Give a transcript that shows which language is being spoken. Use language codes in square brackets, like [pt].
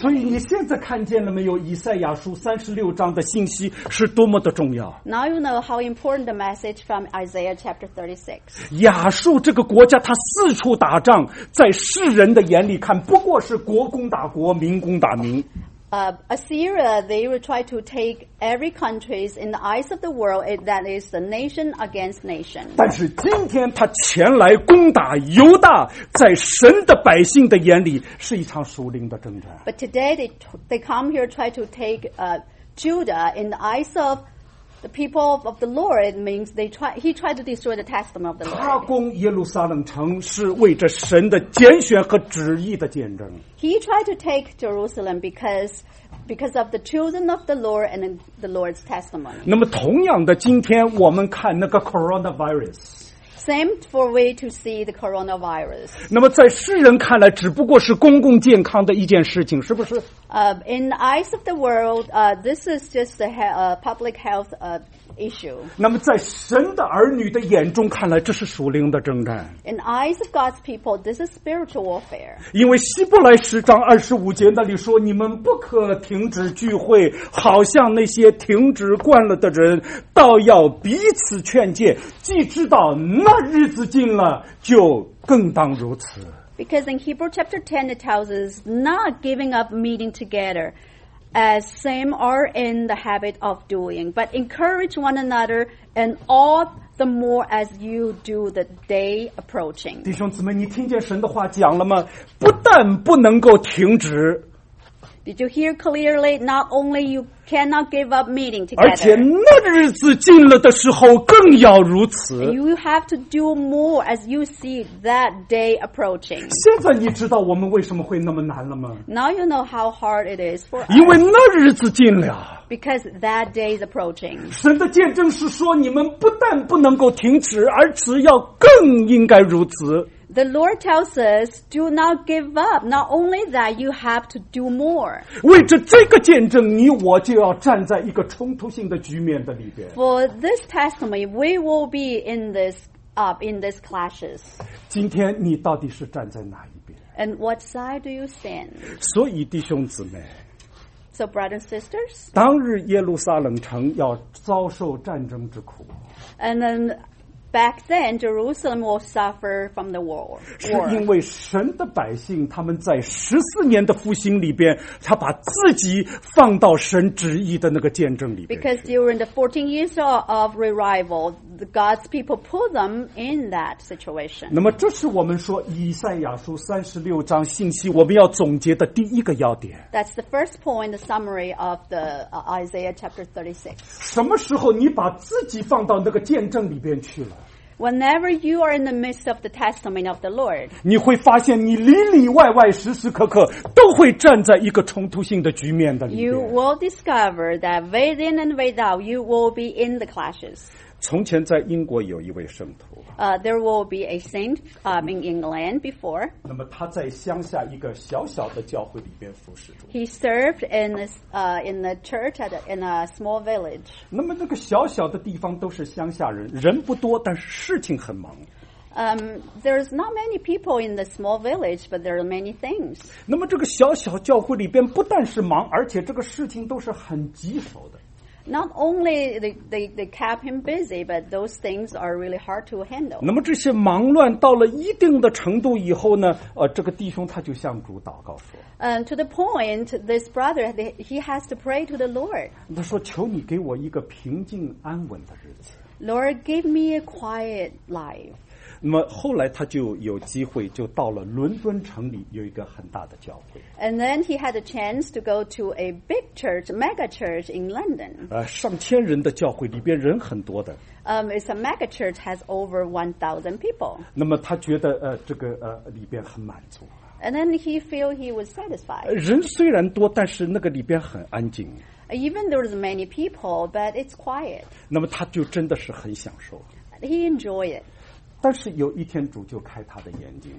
[zh] 所以你现在看见了没有？以赛亚书三十六章的信息是多么的重要。 [en] Now you know how important the message from Isaiah chapter 36. [zh] 亚述这个国家，他四处打仗，在世人的眼里看，不过是国攻打国，民攻打民。 [en] Assyria, they will try to take every country in the eyes of the world, that is the nation against nation. [zh] 但是今天他前来攻打犹大，在神的百姓的眼里是一场属灵的征战。 [en] But today they come here try to take Judah in the eyes of the people of the Lord. It means he tried to destroy the testimony of the Lord. [zh] 他攻耶路撒冷城是为着神的拣选和旨意的见证。 [en] He tried to take Jerusalem because of the children of the Lord and the Lord's testimony. [zh] 那么同样的，今天我们看那个 coronavirus。 [en] Same for we to see the coronavirus. [zh] 那么在世人看来，只不过是公共健康的一件事情，是不是？ [en] In the eyes of the world, this is just a public health issue. [zh] 那么在神的儿女的眼中看来，这是属灵的征战。 [en] In the eyes of God's people, this is spiritual warfare. [zh] 因为希伯来十章二十五节那里说，你们不可停止聚会，好像那些停止惯了的人，倒要彼此劝诫，既知道那日子近了，就更当如此。 [en] Because in Hebrews chapter 10, it tells us not giving up meeting together, as some are in the habit of doing, but encourage one another, and all the more as you do the day approaching. [zh] 弟兄姊妹，你听见神的话讲了吗？不但不能够停止。 [en] Did you hear clearly? Not only you cannot give up meeting together. [zh] 而且那日子近了的时候，更要如此。 [en] You have to do more as you see that day approaching. [zh] 现在你知道我们为什么会那么难了吗？ [en] Now you know how hard it is for us. [zh] 因为那日子近了。 [en] Because that day is approaching. [zh] 神的见证是说，你们不但不能够停止，而且要更应该如此。 [en] The Lord tells us, do not give up. Not only that, you have to do more. [zh] 为着这个见证，你我就要站在一个冲突性的局面的里边。 [en] For this testimony, we will be in this clashes. [zh] 今天你到底是站在哪一边？ [en] And what side do you stand? [zh] 所以弟兄姊妹， [en] So brothers and sisters, [zh] 当日耶路撒冷城要遭受战争之苦。 [en] And then,Back then, Jerusalem will suffer from the war. [zh] 是因为神的百姓他们在十四年的复兴里边，他把自己放到神旨意的那个见证里边。 [en] Because during the 14 years of revival, God's people put them in that situation. [zh] 那么这是我们说以赛亚书三十六章信息我们要总结的第一个要点。 [en] That's the first point, the summary of the Isaiah chapter 36. [zh] 什么时候你把自己放到那个见证里边去了？ [en] Whenever you are in the midst of the testimony of the Lord, [zh] 你会发现你里里外外时时刻刻都会站在一个冲突性的局面的里面。 [en] You will discover that within and without, you will be in the clashes. [zh] 从前在英国有一位圣徒。 [en] There will be a saint in England before. [zh] 那么他在乡下一个小小的教会里边服侍着。 [en] He served in the church at in a small village. [zh] 那么那个小小的地方都是乡下人，人不多，但是事情很忙。 [en] There's not many people in the small village, but there are many things. [zh] 那么这个小小教会里边不但是忙，而且这个事情都是很棘手的。 [en] Not only they kept him busy, but those things are really hard to handle. [zh] 那么这些忙乱到了一定的程度以后呢？这个弟兄他就向主祷告说。 [en] To the point, this brother he has to pray to the Lord. [zh] 他说：“求你给我一个平静安稳的日子。” [en] Lord, give me a quiet life. [zh] 那么后来他就有机会就到了伦敦城里有一个很大的教会。 [en] And then he had a chance to go to a big church, mega church in London. [zh] 上千人的教会里边人很多的。 [en] It's a mega church has over 1,000 people. [zh] 那么他觉得这个里边很满足。 [en] And then he feel he was satisfied. [zh] 人虽然多，但是那个里边很安静。 [en] Even there was many people, but it's quiet. [zh] 那么他就真的是很享受。 [en] He enjoyed it. [zh] 但是有一天主就开他的眼睛。